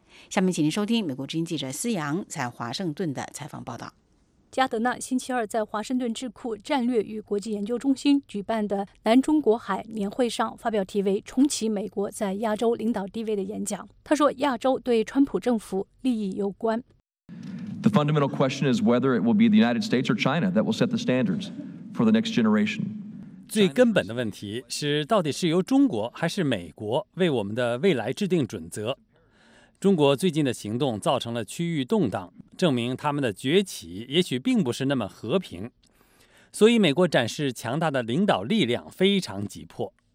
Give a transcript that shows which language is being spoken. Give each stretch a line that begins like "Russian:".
Chinese: 下面请您收听美国之音记者思阳在华盛顿的采访报道。加德纳星期二在华盛顿智库战略与国际研究中心举办的南中国海年会上发表题为《重启美国在亚洲领导地位》的演讲。他说，亚洲对川普政府利益攸关。
English: The fundamental question is whether it will be the United States or China that will set the standards for the next generation.
Chinese: 最根本的问题是，到底是由中国还是美国为我们的未来制定准则？中国最近的行动造成了区域动荡，证明他们的崛起也许并不是那么和平。所以美国展示强大的领导力量非常急迫。